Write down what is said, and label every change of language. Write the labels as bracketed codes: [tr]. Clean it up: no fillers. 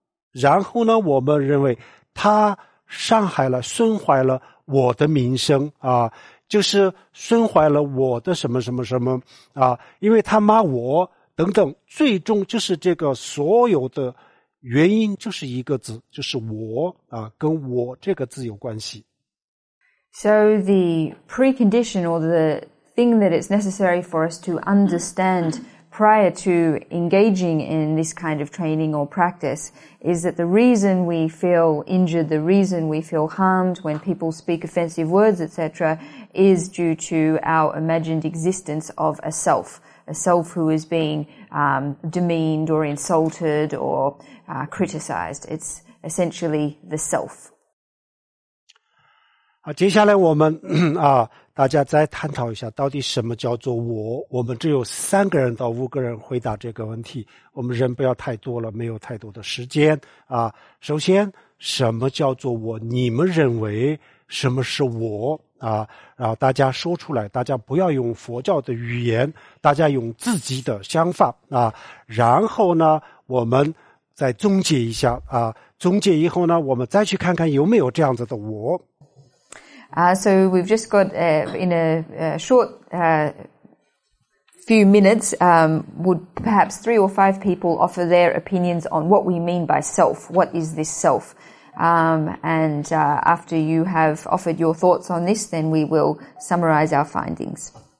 [zh] 然后呢我们认为他伤害了损坏了我的名声就是损坏了我的什么什么什么因为他骂我等等，最终就是这个所有的原因就是一个字，就是我跟我这个字有关系。 [en] So the precondition or the thing that it's necessary for us to understandprior to engaging in this kind of training or practice is that the reason we feel injured, the reason we feel harmed when people speak offensive words, etc., is due to our imagined existence of a self who is being demeaned or insulted or criticized. It's essentially the self. [zh] 接下来我们大家再探讨一下到底什么叫做我。我们只有三个人到五个人回答这个问题，我们人不要太多了，没有太多的时间啊。首先什么叫做我，你们认为什么是我啊？然后大家说出来，大家不要用佛教的语言，大家用自己的想法啊。然后呢我们再总结一下啊，总结以后呢我们再去看看有没有这样子的我。 [en] So we've just got in a short few minutes, would perhaps 3 or 5 people offer their opinions on what we mean by self? What is this self? After you have offered your thoughts on this, then we will summarize our findings.